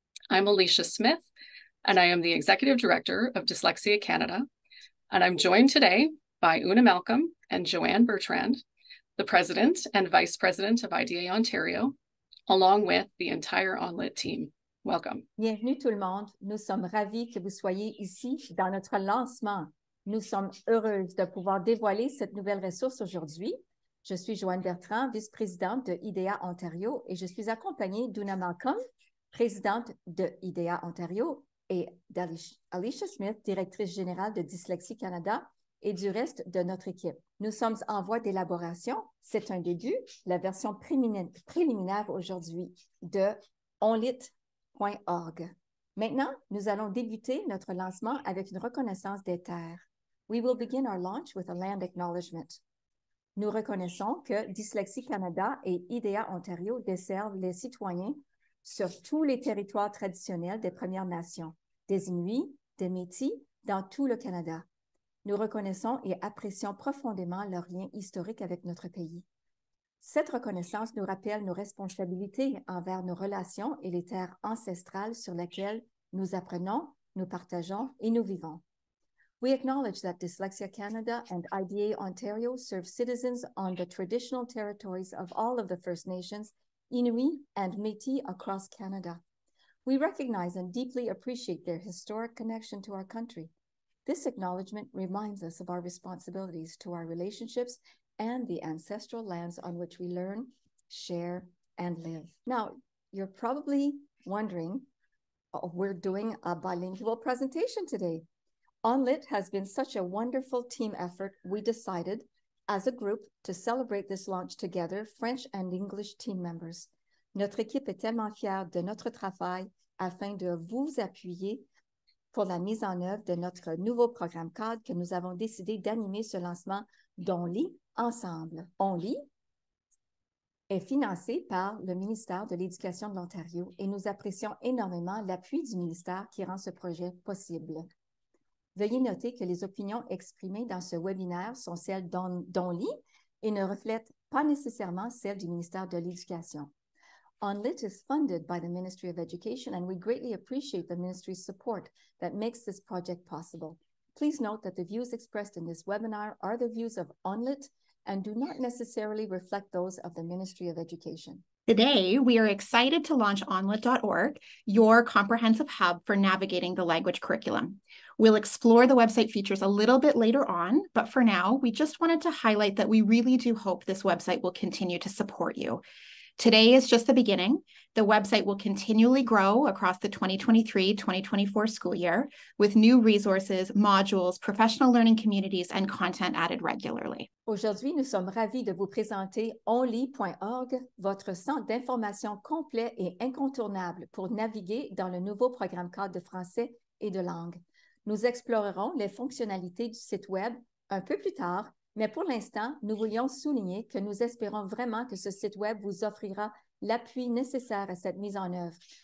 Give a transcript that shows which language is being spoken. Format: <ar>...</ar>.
<en>I'm Alicia Smith, and I am the Executive Director of Dyslexia Canada. And I'm joined today by Una Malcolm and Joanne Bertrand, the President and Vice President of IDA Ontario, along with the entire ONlit team. Welcome.</en> <fr>Bienvenue tout le monde. Nous sommes ravis que vous soyez ici dans notre lancement. Nous sommes heureuses de pouvoir dévoiler cette nouvelle ressource aujourd'hui. Je suis Joanne Bertrand, vice-présidente de IDEA Ontario, et je suis accompagnée d'Una Malcolm, présidente de IDEA Ontario, et d'Alicia Smith, directrice générale de Dyslexie Canada, et du reste de notre équipe. Nous sommes en voie d'élaboration. C'est un début, la version préliminaire aujourd'hui de ONlit.org. Maintenant, nous allons débuter notre lancement avec une reconnaissance des terres.</fr> <en>We will begin our launch with a land acknowledgement.</en> <fr>Nous reconnaissons que Dyslexie Canada et IDEA Ontario desservent les citoyens sur tous les territoires traditionnels des Premières Nations, des Inuits, des Métis, dans tout le Canada. Nous reconnaissons et apprécions profondément leur lien historique avec notre pays. Cette reconnaissance nous rappelle nos responsabilités envers nos relations et les terres ancestrales sur lesquelles nous apprenons, nous partageons et nous vivons.</fr> <en>We acknowledge that Dyslexia Canada and IDA Ontario serve citizens on the traditional territories of all of the First Nations, Inuit and Métis across Canada. We recognize and deeply appreciate their historic connection to our country. This acknowledgement reminds us of our responsibilities to our relationships and the ancestral lands on which we learn, share, and live. Now, you're probably wondering, we're doing a bilingual presentation today. ONlit has been such a wonderful team effort. We decided as a group to celebrate this launch together, French and English team members.</en> <fr>Notre équipe est tellement fière de notre travail afin de vous appuyer pour la mise en œuvre de notre nouveau programme cadre que nous avons décidé d'animer ce lancement d'ONlit. Ensemble, ONlit est financé par le ministère de l'Éducation de l'Ontario et nous apprécions énormément l'appui du ministère qui rend ce projet possible. Veuillez noter que les opinions exprimées dans ce webinaire sont celles d'ONlit et ne reflètent pas nécessairement celles du ministère de l'Éducation.</fr> <en>ONlit is funded by the Ministry of Education and we greatly appreciate the ministry's support that makes this project possible. Please note that the views expressed in this webinar are the views of ONlit and do not necessarily reflect those of the Ministry of Education. Today, we are excited to launch ONlit.org, your comprehensive hub for navigating the language curriculum. We'll explore the website features a little bit later on, but for now, we just wanted to highlight that we really do hope this website will continue to support you. Today is just the beginning. The website will continually grow across the 2023-2024 school year with new resources, modules, professional learning communities, and content added regularly.</en> <fr>Aujourd'hui, nous sommes ravis de vous présenter ONlit.org, votre centre d'information complet et incontournable pour naviguer dans le nouveau programme cadre de français et de langue. Nous explorerons les fonctionnalités du site web un peu plus tard. Mais pour l'instant, nous voulions souligner que nous espérons vraiment que ce site web vous offrira l'appui nécessaire à cette mise en œuvre.</fr>